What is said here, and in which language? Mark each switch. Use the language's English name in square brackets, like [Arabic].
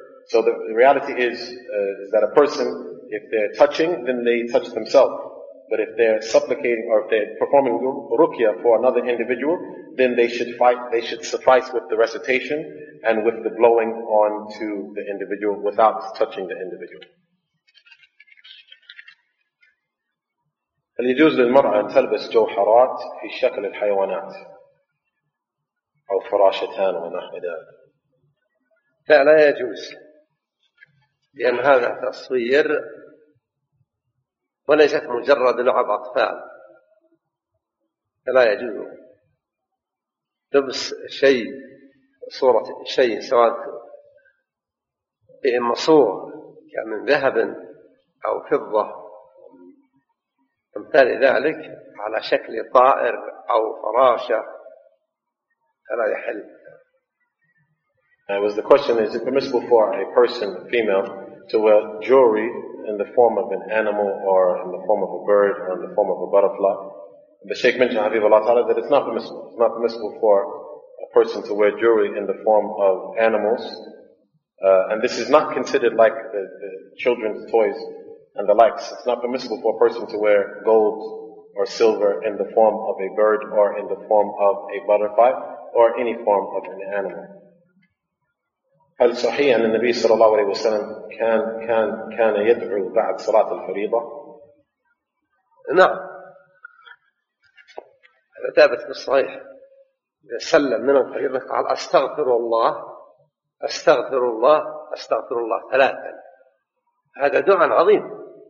[English] So the reality is that a person, if they're touching, then they touch themselves. But if they're supplicating or if they're performing ruqya for another individual, then they should suffice with the recitation and with the blowing on to the individual without touching the individual. [Arabic] هل يجوز للمرأة أن تلبس جوهرات في شكل الحيوانات أو فراشتان ونحو ذلك؟ لا يجوز، لأن هذا تصوير وليست مجرد لعب أطفال، فلا يجوز لبس شيء صورة شيء سواء بإما صور كمن ذهب أو فضة أمثال ذلك على شكل طائر أو فراشة فلا يحل. [English] Was the question, is it permissible for a person, a female, to wear jewelry in the form of an animal or in the form of a bird or in the form of a butterfly? And the Shaykh mentioned, Habibullah Ta'ala, that it's not permissible. It's not permissible for a person to wear jewelry in the form of animals. And this is not considered like the children's toys and the likes. It's not permissible for a person to wear gold or silver in the form of a bird or in the form of a butterfly or any form of an animal. [Arabic] هل صحيح أن النبي صلى الله عليه وسلم كان يدعو بعد صلاة الفريضة؟ نعم، هذا ثابت بالصحيح. سلم من الفريضة قال أستغفر الله أستغفر الله أستغفر الله ثلاثا، هذا دعاء عظيم.